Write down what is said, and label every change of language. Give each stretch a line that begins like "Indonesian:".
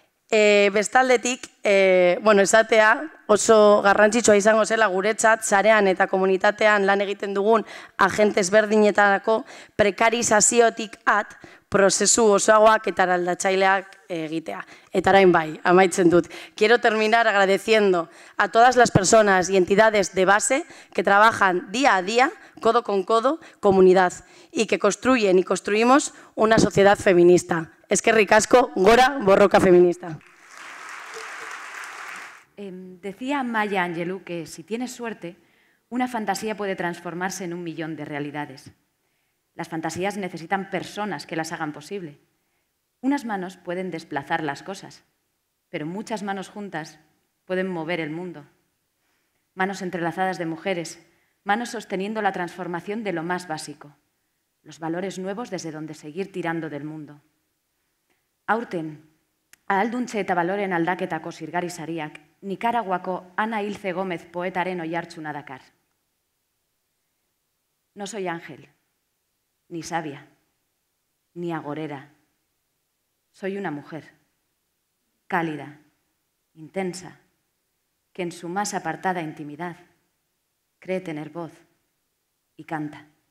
Basque: Bestaldetik, esatea oso garrantzitsua izango zela guretzat, zarean eta komunitatean lan egiten dugun agentes berdinetarako prekarizaziotik at, prozesu osoagoak eta eraldatzaileak egitea. Eta orain bai, amaitzen dut.
Spanish: Quiero terminar agradeciendo a todas las personas y entidades de base que trabajan día a día, codo con codo, comunidad, y que construyen y construimos una sociedad feminista.
Basque: Eskerrik asko, gora borroka feminista.
Spanish: Decía Maya Angelou que si tienes suerte, una fantasía puede transformarse en un millón de realidades. Las fantasías necesitan personas que las hagan posible. Unas manos pueden desplazar las cosas, pero muchas manos juntas pueden mover el mundo. Manos entrelazadas de mujeres, manos sosteniendo la transformación de lo más básico, los valores nuevos desde donde seguir tirando del mundo.
Basque: Aurten, ahalduntze eta baloren aldaketako zirgari sariak, Nikaraguako Ana Ilze Gómez poetaren oihartzuna dakar.
Spanish: No soy ángel, ni sabia, ni agorera. Soy una mujer, cálida, intensa, que en su más apartada intimidad cree tener voz y canta.